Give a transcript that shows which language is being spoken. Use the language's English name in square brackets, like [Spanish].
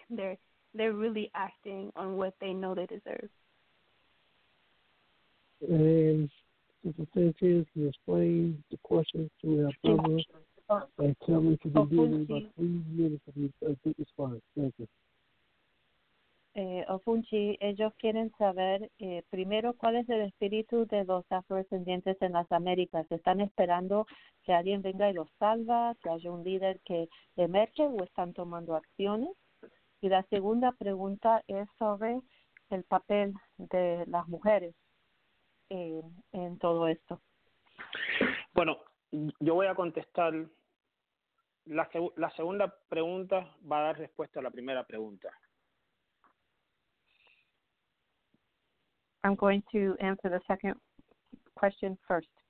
[English] They're really acting on what they know they deserve. Sister Sanchez, can you explain the question to our brother and tell me to be doing in about 3 minutes of your good response? Thank you. [Spanish] Ofunshi, ellos quieren saber, primero, ¿cuál es el espíritu de los afrodescendientes en las Américas? ¿Están esperando que alguien venga y los salva, que haya un líder que emerge o están tomando acciones? Y la segunda pregunta es sobre el papel de las mujeres en todo esto. Bueno, yo voy a contestar. La segunda pregunta va a dar respuesta a la primera pregunta. [English] I'm going to answer the second question first.